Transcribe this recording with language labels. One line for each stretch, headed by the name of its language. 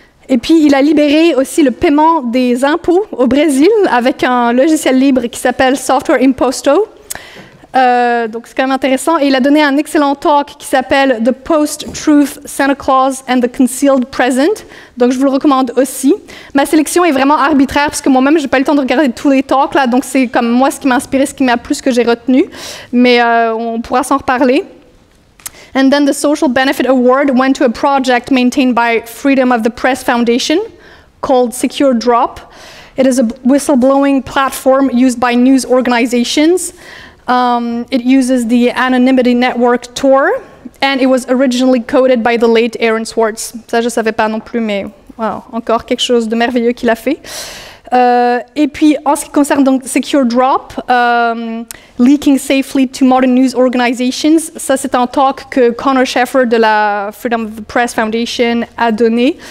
French: Et puis, il a libéré aussi le paiement des impôts au Brésil avec un logiciel libre qui s'appelle Software Imposto. Donc, c'est quand même intéressant. Et il a donné un excellent talk qui s'appelle The Post-Truth Santa Claus and the Concealed Present. Donc, je vous le recommande aussi. Ma sélection est vraiment arbitraire parce que moi-même, je n'ai pas eu le temps de regarder tous les talks là. Donc, c'est comme moi ce qui m'a inspiré, ce qui m'a plu, ce que j'ai retenu. Mais on pourra s'en reparler.
English: And then the Social Benefit Award went to a project maintained by Freedom of the Press Foundation called Secure Drop. It is a whistleblowing platform used by news organizations. It uses the Anonymity Network Tor, and it was originally coded by the late Aaron Swartz.
French: Ça, je ne savais pas non plus, mais wow, encore quelque chose de merveilleux qu'il a fait. Et puis, en ce qui concerne donc Secure Drop, Leaking Safely to Modern News Organizations, ça c'est un talk que Connor Schaeffer de la Freedom of the Press Foundation a donné.